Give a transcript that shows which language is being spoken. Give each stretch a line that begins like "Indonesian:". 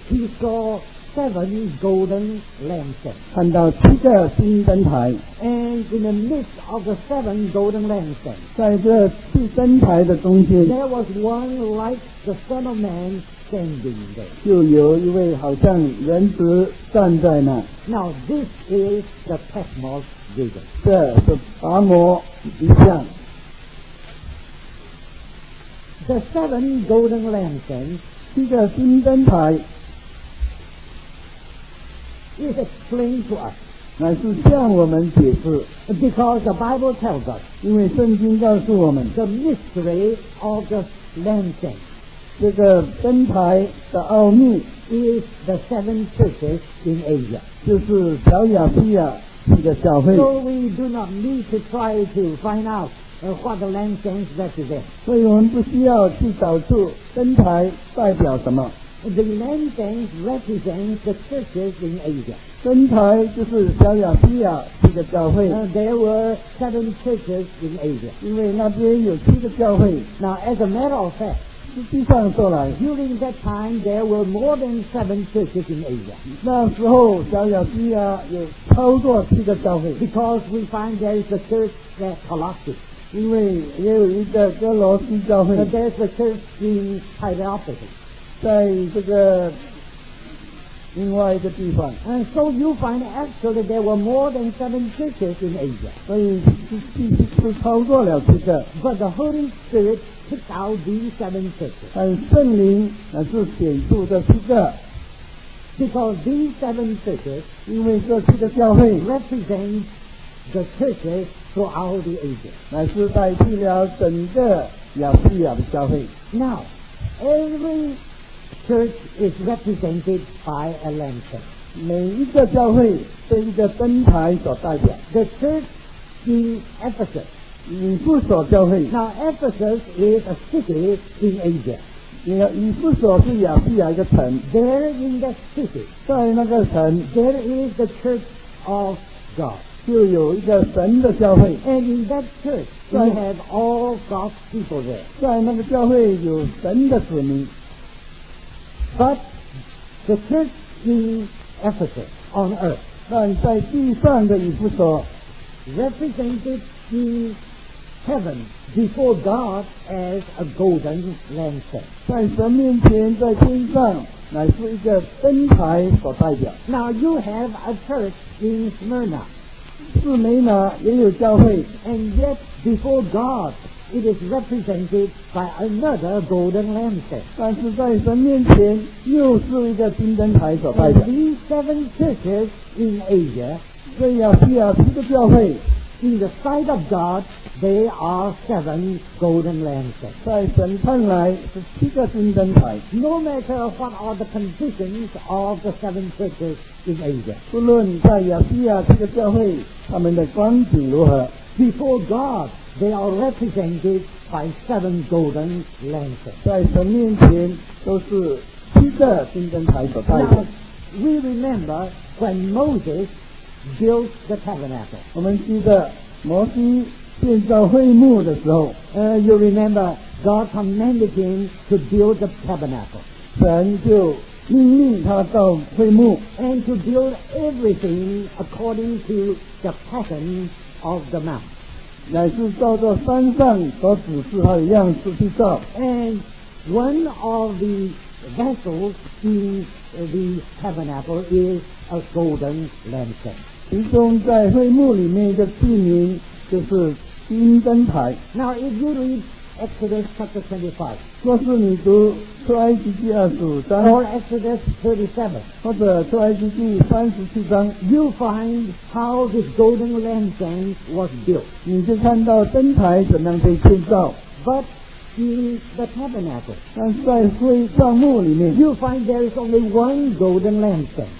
English: he saw seven golden lampstands
Chinese: 看到七个金灯台
English: and in the midst of the seven golden lampstands
Chinese: 在这七灯台的中间
English: there was one like the son of manStanding there.
Chinese: 就有一位好像人子站在那。
English: Now this is the Patmos vision.
Chinese: 这是拔摩意象。
English: The seven golden lampstands,
Chinese: 七个金灯台,
English: is explained to us.
Chinese: 乃是向我们解释。
English: Because the Bible tells us,
Chinese: 因为圣经告诉我们,
English: the mystery of the lampstands.
Chinese: 这个灯台的奥秘
English: is the seven churches in Asia
Chinese: 就是小亚细亚这个教会
English: so we do not need to try to find out what the lampstands represent
Chinese: 所以我们不需要去找出灯台代表什么
English: The lampstands represent the churches in Asia.
Chinese: 灯台就是小亚细亚七个教会。
English: There were seven churches in Asia.
Chinese: 因为那边有七个教会。
English: Now, as a matter of fact,
Chinese: 实际上说来
English: during that time, there were more than seven churches in Asia.
Chinese: 那时候小亚细亚有超过七个教会。
English: Because we find there is a church at Colossae.
Chinese: 因为也有一个哥罗西教会。
English: But there's a church in Hierapolis.
Chinese: 在这个另外一个地方。
English: And so you find actually there were more than seven churches in Asia.
Chinese: 所以是超过了七个。
English: But the Holy Spirit,picked out these seven churches.
Chinese: 但圣灵乃是选出这七个。
English: Because these seven churches,
Chinese: 因为这七个教会
English: represent the churches throughout the ages.
Chinese: 乃是代替了整个亚细亚的教会。
English: Now, every church is represented by a lantern.
Chinese: 每一个教会被一个灯台所代表。
English: The church in Ephesus.
Chinese: 以弗所教会。
English: Now Ephesus is a city in Asia.
Chinese: 以弗所是亚细亚一个城。
English: There in that city,
Chinese: 在那个城
English: there is the church of God.
Chinese: 就有一个神的教会。
English: And in that church, you have all God's people there.
Chinese: 在那个教会有神的子民。
English: But the church in Ephesus on earth,
Chinese: 但在地上的以弗所
English: represented in heaven before God as a golden lantern.
Chinese: 在神面前在天上乃是一个灯台所代表。
English: Now you have a church in Smyrna.
Chinese: 士美拿也有教会。
English: And yet before God it is represented by another golden lantern.
Chinese: 但是在神面前又是一个金灯台所代表。
English: And these seven churches in Asia,
Chinese: 在亚细亚七个教会
English: In the sight of God, they are seven golden lampstands.
Chinese: 在神看来是七个金灯台。
English: No matter what are the conditions of the seven churches in Asia.
Chinese: 不论在亚细亚七个教会他们的光景如何。
English: Before God, they are represented by seven golden lampstands.
Chinese: 在神面前都是七个金灯台所代表。
English: Now, we remember when Moses built the tabernacle.
Chinese: 我们记得摩西建造会幕的时候
English: you remember God commanded him to build the tabernacle.
Chinese: 神就命令他造会幕
English: and to build everything according to the pattern of the mount.
Chinese: 乃是照着山上所指示他的样式去造
English: and one of the vessels in the tabernacle is a golden lantern.
Chinese: 其中在会幕里面的器皿就是金灯台。
English: Now, if you read Exodus chapter 25,
Chinese: 若是你读出埃及记二十五章
English: or Exodus 37,
Chinese: 或者出埃及记三十七章
English: you find how this golden lantern was built.
Chinese: 你就看到灯台怎样被建造。
English: But in the tabernacle,
Chinese: 但在会帐幕里面
English: you find there is only one golden lantern.